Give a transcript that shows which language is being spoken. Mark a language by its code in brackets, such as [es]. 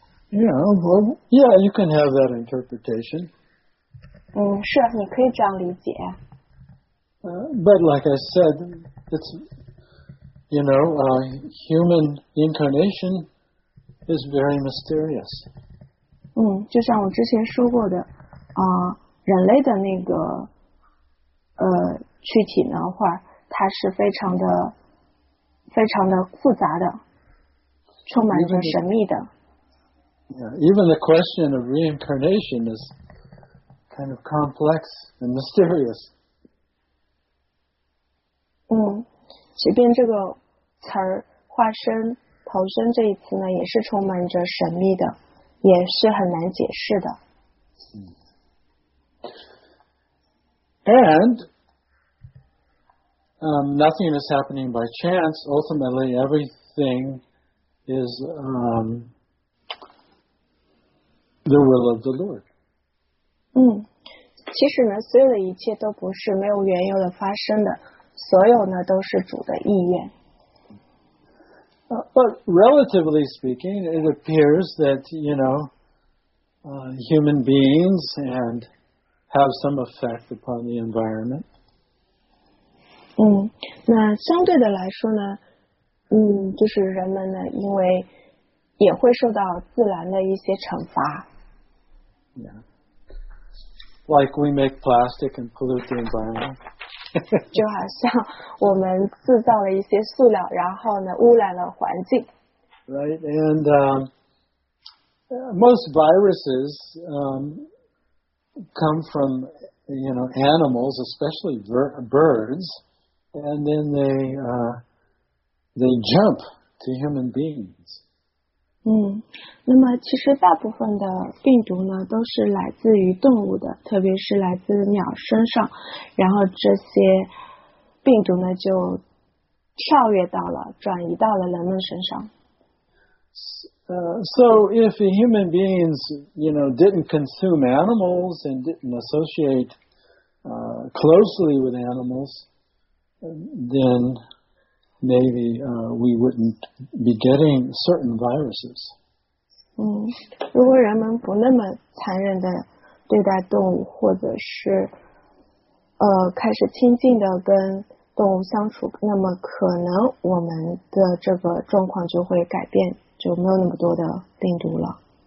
[en] Yeah, well, yeah, you can have that interpretation. [zh] 是，你可以这样理解。 [en] But like I said, it's, you know, human incarnation is very mysterious. [zh] 就像我之前说过的人类的那个躯体呢话它是非常的复杂的充满着神秘的。 [en] Even the question of reincarnation is kind of complex and mysterious. [zh] 即便这个词儿化身投身这一词呢也是充满着神秘的。也是很难解释的。 [en] And nothing is happening by chance. Ultimately, everything is the will of the Lord. [zh] 其实呢，所有的一切都不是没有缘由的发生的，所有呢都是主的意愿。 [en] But relatively speaking, it appears that, you know, human beings and have some effect upon the environment. [zh] 那相对的来说呢，就是人们呢，因为也会受到自然的一些惩罚。 [en] Yeah. Like we make plastic and pollute the environment. [zh] 就好像我们制造了一些塑料，然后呢，污染了环境。 [en] Right, and most viruses come from, you know, animals, especially birds, and then they jump to human beings. [zh] 那么其实大部分的病毒呢，都是来自于动物的，特别是来自鸟身上，然后这些病毒呢，就跳跃到了，转移到了人们身上。 [en] So if human beings, you know, didn't consume animals and didn't associate closely with animals, then maybe we wouldn't be getting certain viruses. [zh] 如果人们不那么残忍的对待动物，或者是开始亲近的跟动物相处，那么可能我们的这个状况就会改变。就没有那么多的病毒了。